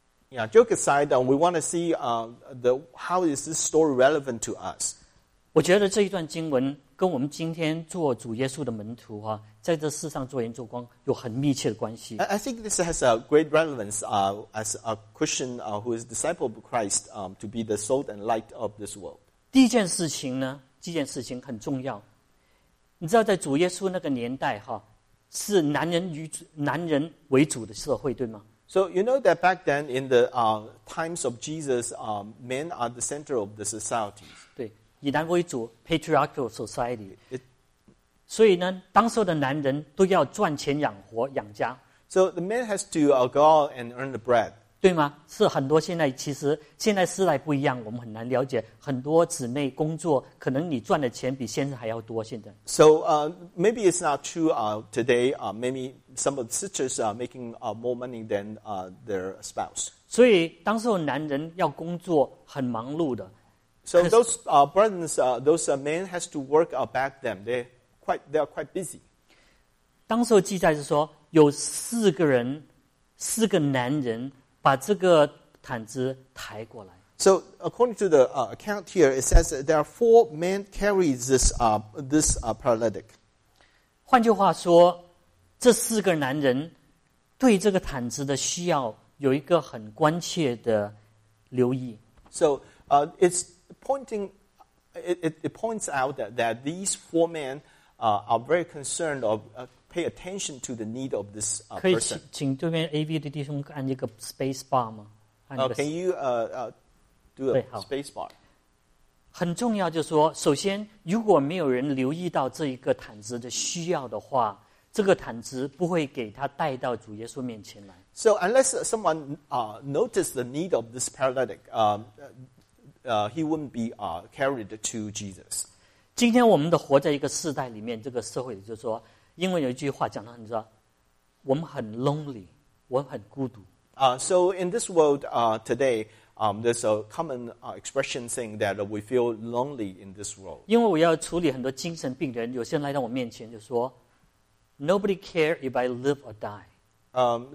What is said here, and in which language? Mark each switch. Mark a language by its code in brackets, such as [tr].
[en] Yeah, joke aside, we want to see how is this story relevant to us. [zh] 我觉得这一段经文跟我们今天做主耶稣的门徒啊，在这世上做盐做光有很密切的关系。 [en] I think this has a great relevance as a Christian who is a disciple of Christ to be the salt and light of this world. [zh] 第一件事情呢，第一件事情很重要。你知道在主耶稣那个年代哈，是男人为主的社会，对吗？ [en] So you know that back then in the times of Jesus, men are the center of the society. [zh] 对，以男为主 ， [en] patriarchal society. [zh] 所以呢，当时的男人都要赚钱养活养家。 [en] So the man has to go out and earn the bread. [zh] 对吗？是很多现在其实现在时代不一样，我们很难了解很多姊妹工作，可能你赚的钱比先生还要多。现在。 [en] So maybe it's not true today. Maybe some of the sisters are making more money than their spouse. [zh] 所以当时男人要工作很忙碌的。 [en] So those brothers, those men has to work back then. They are quite busy. [zh] 当时记载是说。有四个人，四个男人把这个毯子抬过来。 [en] So according to the account here, it says that there are four men carry this paralytic. [zh] 换句话说，这四个男人对这个毯子的需要有一个很关切的留意。 [en] So it points out that these four men are very concerned of. Pay attention to the need of this person. [zh] 可以请对面 AV 的弟兄按一个 space bar 吗？ [en] Can you do a space bar? [zh] 很重要，就是说，首先，如果没有人留意到这一个毯子的需要的话，这个毯子不会给他带到主耶稣面前来。 [en] So unless someone notices the need of this paralytic, he wouldn't be carried to Jesus. [zh] 今天我们都活在一个世代里面，这个社会里就是说。英文有一句话讲得很重要，我们很 lonely， 我们很孤独。 [en] So in this world today, there's a common expression saying that we feel lonely in this world. [zh] 因为我要处理很多精神病人，有些人来到我面前就说 ， [en] Nobody care if I live or die.